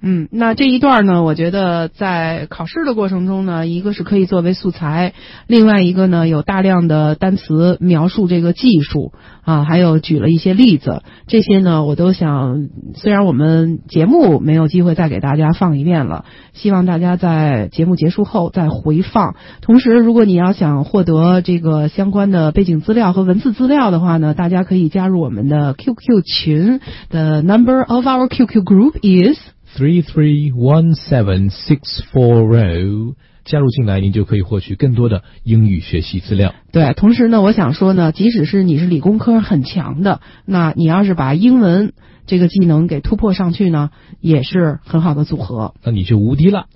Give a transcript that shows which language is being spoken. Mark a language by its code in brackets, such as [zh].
[zh] 那这一段呢，我觉得在考试的过程中呢，一个是可以作为素材，另外一个呢，有大量的单词描述这个技术啊，还有举了一些例子，这些呢，我都想，虽然我们节目没有机会再给大家放一遍了，希望大家在节目结束后再回放。同时，如果你要想获得这个相关的背景资料和文字资料的话呢，大家可以加入我们的 QQ 群。 [en] The number of our QQ group is 331764. [zh] 加入进来，您就可以获取更多的英语学习资料。对，同时呢，我想说呢，即使是你是理工科很强的，那你要是把英文这个技能给突破上去呢，也是很好的组合。那你就无敌了。